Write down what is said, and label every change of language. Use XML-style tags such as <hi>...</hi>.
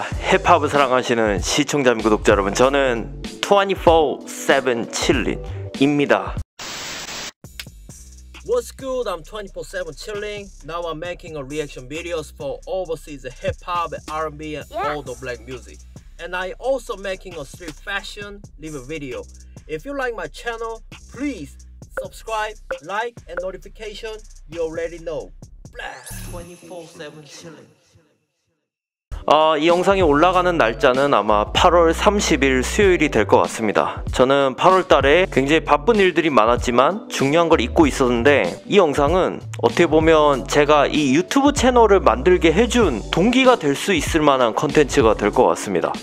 <ko>힙합을 사랑하시는 시청자 및 구독자 여러분, 저는 24/7 칠링입니다.</ko> <en>What's good? I'm 24/7 chilling. Now I'm making a reaction videos for overseas hip-hop, R&B, and all the black music. And I also making a street fashion live video. If you like my channel, please subscribe, like, and notification. You already know. Blast 24/7 chilling.</en> <ko>이 영상이 올라가는 날짜는 아마 8월 30일 수요일이 될 것 같습니다. 저는 8월 달에 굉장히 바쁜 일들이 많았지만 중요한 걸 잊고 있었는데, 이 영상은 어떻게 보면 제가 이 유튜브 채널을 만들게 해준 동기가 될 수 있을 만한 컨텐츠가 될 것 같습니다.</ko>